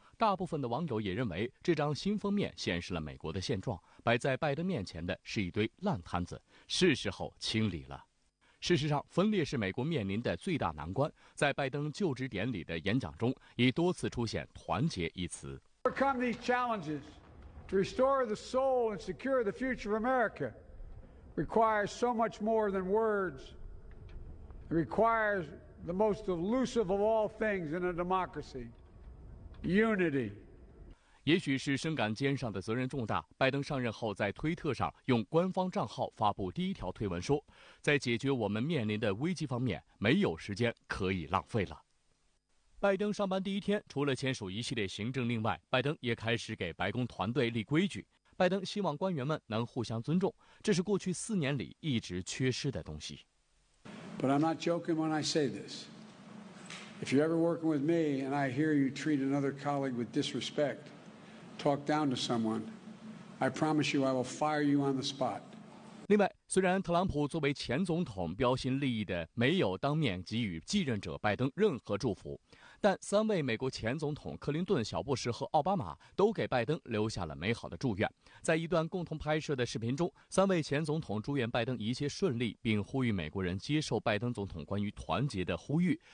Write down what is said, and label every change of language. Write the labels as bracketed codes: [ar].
[zh] 大部分的网友也认为，这张新封面显示了美国的现状，摆在拜登面前的是一堆烂摊子，是时候清理了。事实上，分裂是美国面临的最大难关。在拜登就职典礼的演讲中，已多次出现团结一词。 [en] Overcome these challenges to restore the soul and secure the future of America requires so much more than words. It requires the most elusive of all things in a democracy. Unity。 [zh] 也许是深感肩上的责任重大，拜登上任后在推特上用官方账号发布第一条推文说，在解决我们面临的危机方面，没有时间可以浪费了。拜登上班第一天，除了签署一系列行政令外，拜登也开始给白宫团队立规矩。拜登希望官员们能互相尊重，这是过去四年里一直缺失的东西。 [en] But I'm not joking when I say thisIf you're ever working with me and I hear you treat another colleague with disrespect, talk down to someone, I promise you I will fire you on the spot. [zh] 另外，虽然特朗普作为前总统标新立异的没有当面给予继任者拜登任何祝福，但三位美国前总统克林顿、小布什和奥巴马都给拜登留下了美好的祝愿。在一段共同拍摄的视频中，三位前总统祝愿拜登一切顺利，并呼吁美国人接受拜登总统关于团结的呼吁。